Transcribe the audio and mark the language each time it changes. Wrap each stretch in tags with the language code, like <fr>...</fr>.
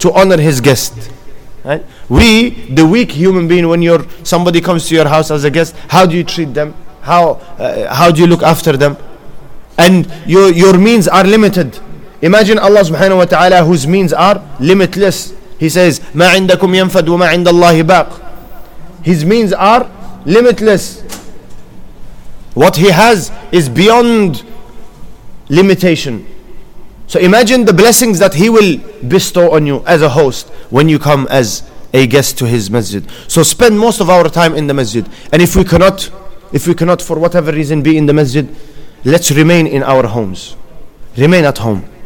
<en>To honor his guest. Right? We, the weak human being, when somebody comes to your house as a guest, how do you treat them? How do you look after them? And your means are limited. Imagine Allah subhanahu wa ta'ala, whose means are limitless. He says,</en> <ar>مَا عِنْدَكُمْ يَنْفَدْ وَمَا عِنْدَ اللَّهِ بَاقٍ.</ar> <en>His means are limitless. What he has is beyond limitation. So imagine the blessings that he will bestow on you as a host when you come as a guest to his masjid. So spend most of our time in the masjid. And if we cannot for whatever reason be in the masjid, let's remain in our homes. Remain at home.</en>